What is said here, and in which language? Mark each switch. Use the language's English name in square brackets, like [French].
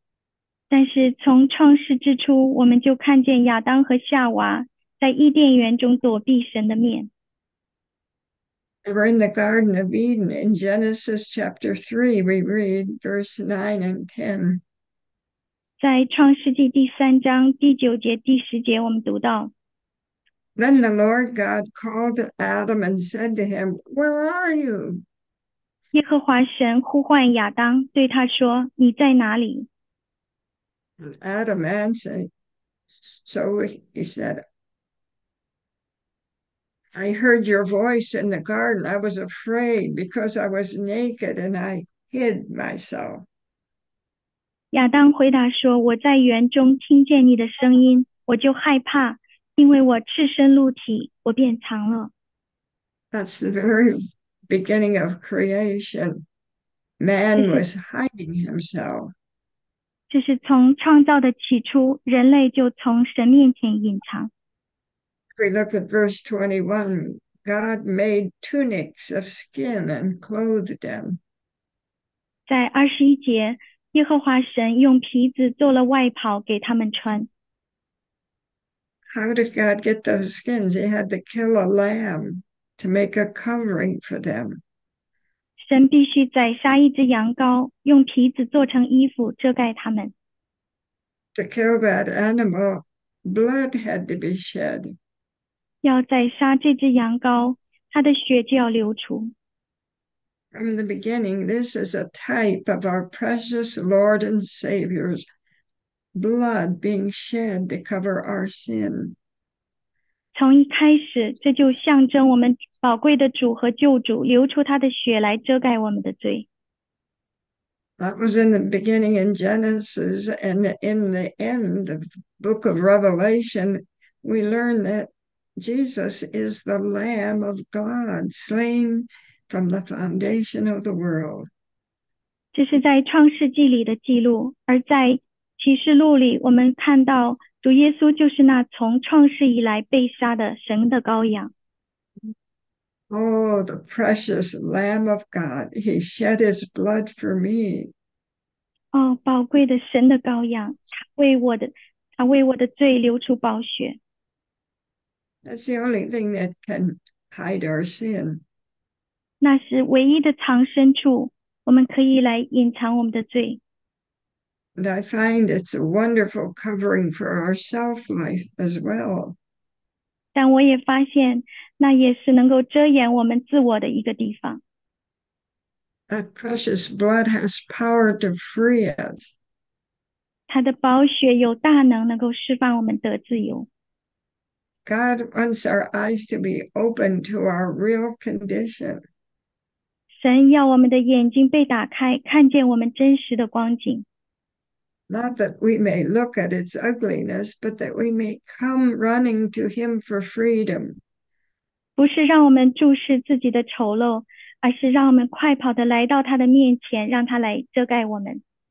[Chinese] ”但是从创世之初，我们就看见亚当和夏娃在伊甸园中躲避神的面。 [English] We're in the Garden of Eden in Genesis chapter 3. We read verse 9 and 10. [Chinese] 在创世纪第三章第九节、第十节，我们读到。 [English] Then the Lord God called Adam and said to him, "Where are you?" [Chinese] 耶和华神呼唤亚当，对他说：“你在哪里？” [English] And Adam answered, so he said, "I heard your voice in the garden. I was afraid because I was naked and I hid myself." [Chinese] 亚当回答说：“我在园中听见你的声音，我就害怕，因为我赤身露体，我便藏了。” [English] That's the very beginning of creation. Man was hiding himself. [Chinese] 这是从创造的起初，人类就从神面前隐藏。 [English] We look at verse 21. God made tunics of skin and clothed them. [Chinese] 在21节。耶和华神用皮子做了外袍给他们穿。 [English] How did God get those skins? He had to kill a lamb to make a covering for them. [Chinese] 神必须再杀一只羊羔，用皮子做成衣服遮盖他们。 [English] To kill that animal, blood had to be shed. [Chinese] 要再杀这只羊羔，它的血就要流出。 [English] From the beginning, this is a type of our precious Lord and Savior's blood being shed to cover our sin. [Chinese] 从一开始，这就象征我们宝贵的主和救主流出他的血来遮盖我们的罪。 [English] That was in the beginning in Genesis, and in the end of the book of Revelation, we learn that Jesus is the Lamb of God slain from the foundation of the world. [Chinese] 这是在创世纪里的记录，而在启示录里，我们看到。主耶稣就是那从创世以来被杀的神的羔羊。 [English] Oh, the precious Lamb of God, he shed his blood for me. [Chinese] 哦，宝贵的神的羔羊，他为我的罪流出宝血。 [English] That's the only thing that can hide our sin. [Chinese] 那是唯一的藏身处，我们可以来隐藏我们的罪。 [English] And I find it's a wonderful covering for our self-life as well. [Chinese] 但我也发现，那也是能够遮掩我们自我的一个地方。 [English] That precious blood has power to free us. [Chinese] 他的宝血有大能，能够释放我们得自由。 [English] God wants our eyes to be open to our real condition. [Chinese] 神要我们的眼睛被打开，看见我们真实的光景。 [English] Not that we may look at its ugliness, but that we may come running to him for freedom. [Chinese] 不是让我们注视自己的丑陋，而是让我们快跑地来到他的面前，让他来遮盖我们。